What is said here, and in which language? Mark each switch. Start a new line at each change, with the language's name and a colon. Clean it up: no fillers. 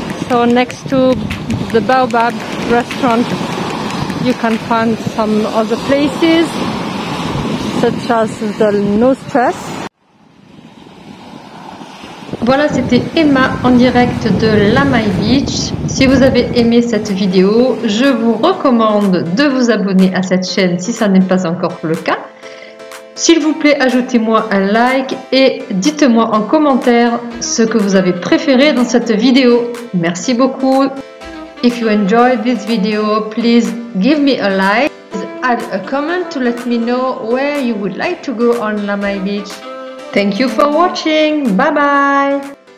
English: So next to the Baobab restaurant, you can find some other places, such as the No Stress.
French: Voilà, c'était Emma en direct de Lamai Beach. Si vous avez aimé cette vidéo, je vous recommande de vous abonner à cette chaîne si ça n'est pas encore le cas. S'il vous plaît, ajoutez-moi un like et dites-moi en commentaire ce que vous avez préféré dans cette vidéo. Merci beaucoup.
English: If you enjoyed this video, please give me a like. Add a comment to let me know where you would like to go on Lamai Beach. Thank you for watching. Bye bye.